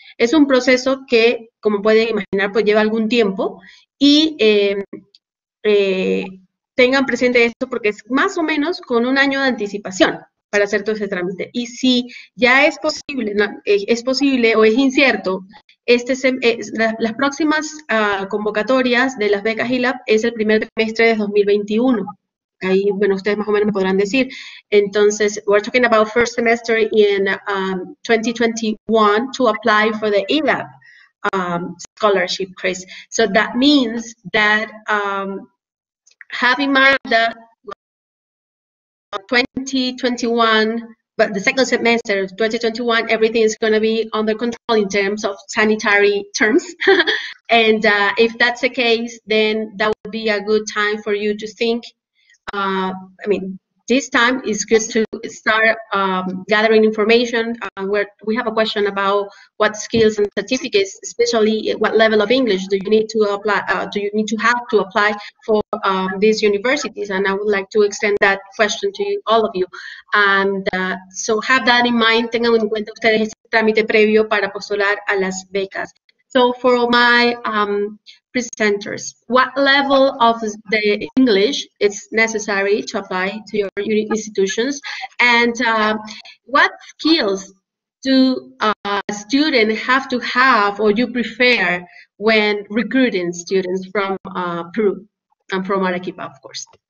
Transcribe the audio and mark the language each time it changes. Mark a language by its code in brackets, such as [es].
[es] Es un proceso que, como pueden imaginar, pues lleva algún tiempo y tengan presente esto porque es más o menos con un año de anticipación para hacer todo ese trámite. Y si ya es posible, no, es posible o es incierto, las próximas convocatorias de las becas ILAP es el primer trimestre de 2021. Ahí, bueno, ustedes más o menos me podrán decir. [en] Entonces, we're talking about first semester in 2021 to apply for the ILAP scholarship, Chris. So that means that have in mind that 2021, but the second semester of 2021, everything is going to be under control in terms of sanitary terms. And if that's the case, then that would be a good time for you to think. I mean, this time is good to start gathering information. We have a question about what skills and certificates, especially what level of English do you need to apply? Do you need to have to apply for these universities? And I would like to extend that question to all of you. And so have that in mind. [es] Tengan en cuenta ustedes este trámite previo para postular a las becas. [en] So for my presenters, what level of the English is necessary to apply to your institutions, and what skills do a student have to have or you prefer when recruiting students from Peru and from Arequipa, of course?